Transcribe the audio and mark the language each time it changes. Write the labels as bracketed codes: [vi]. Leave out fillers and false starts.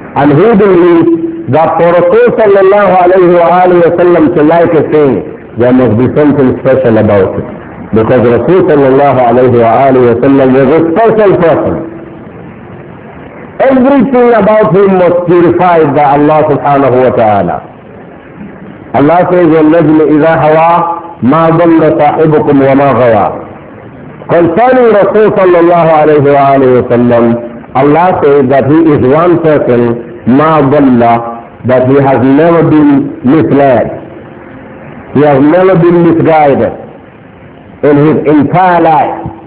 [en] And he believed that for Rasul sallallahu alayhi wa sallam to like a thing, there must be something special about it. Because Rasul sallallahu alayhi wa sallam was a special person. Everything about him was purified by Allah subhanahu wa ta'ala. Allah says, [ar] وَالنَّجْمِ إِذَا هَوَى مَا ضَلَّ صَاحِبُكُمْ وَمَا غَوَى. [en] concerning Rasul sallallahu alayhi wa alayhi wa sallam, Allah says that he is one person, ma dhalla, that he has never been misled. He has never been misguided in his entire life.